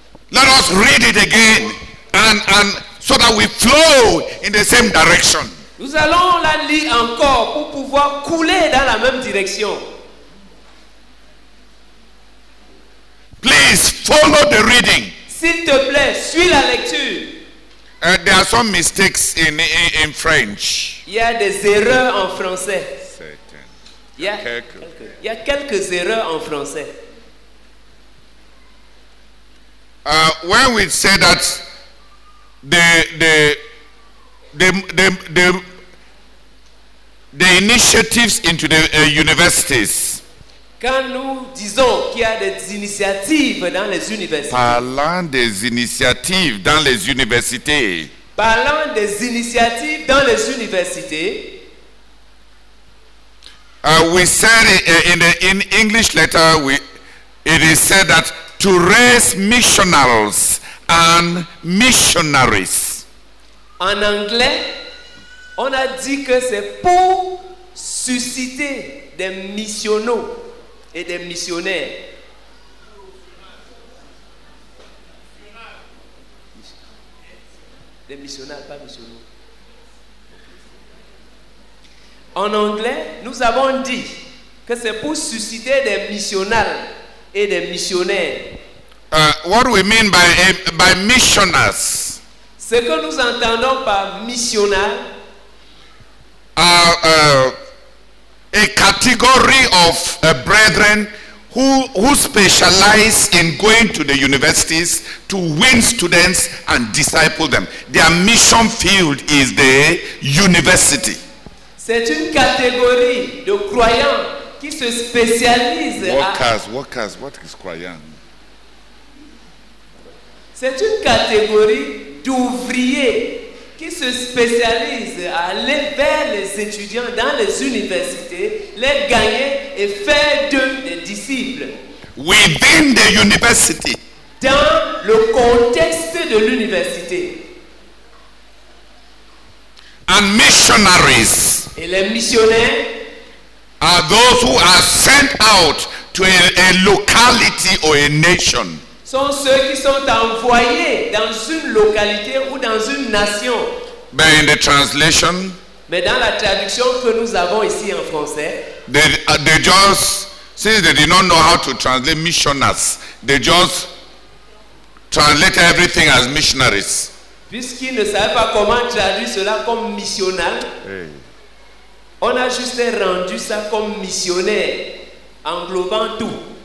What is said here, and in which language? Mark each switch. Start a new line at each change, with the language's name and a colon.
English: Let us read it again and so that we flow in the same direction.
French: Nous allons la lire encore pour pouvoir couler dans la même direction.
English: Please follow the reading.
French: S'il te plaît, suis la lecture.
English: There are some mistakes in French.
French: Il y a des erreurs en français. Certain. Il y a quelques erreurs en français.
English: When we say that the initiatives into the universities.
French: Quand nous disons qu'il y a des initiatives dans les universités. Parlant des initiatives dans les universités. Parlant des initiatives dans les universités.
English: We said in English letter, it is said that to raise missionaries and missionaries.
French: En anglais, on a dit que c'est pour susciter des missionnaires. Et des missionnaires. Des missionnaires, pas missionnaires. En anglais, nous avons dit que c'est pour susciter des missionnaires et des missionnaires.
English: What we mean by missionaries?
French: Ce que nous entendons par missionnaire.
English: A category of brethren who specialize in going to the universities to win students and disciple them. Their mission field is the university.
French: C'est une catégorie de croyants qui se spécialise.
English: Workers, what is croyant?
French: C'est une catégorie d'ouvriers qui se spécialise à aller vers les étudiants dans les universités, les gagner et faire d'eux des disciples.
English: Within the university.
French: Dans le contexte de l'université.
English: And missionaries.
French: Et les missionnaires.
English: Are those who are sent out to a locality or a nation.
French: Sont ceux qui sont envoyés dans une localité ou dans une nation.
English: But in the translation,
French: mais dans la traduction que nous avons ici en français,
English: they just, since they did not know how to translate missionaries, they just translated everything as missionaries.
French: Puisqu'ils ne savaient pas comment traduire cela comme missionnaire, hey. On a juste rendu ça comme missionnaire, englobant tout.